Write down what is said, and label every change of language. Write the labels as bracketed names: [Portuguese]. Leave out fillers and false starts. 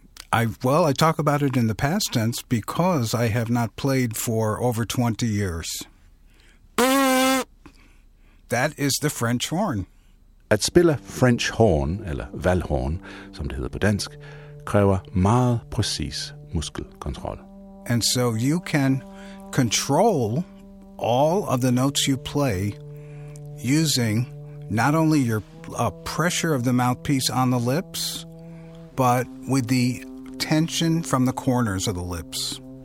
[English] I talk about it in the past tense because I have not played for over 20 years. That is the French horn. [Danish] At spille French horn, eller valhorn, som det hedder på dansk, kræver meget præcis muskelkontrol. [English] And so you can control all of the notes you play using not only your pressure of the mouthpiece on the lips, but with the tension from the corners of the lips.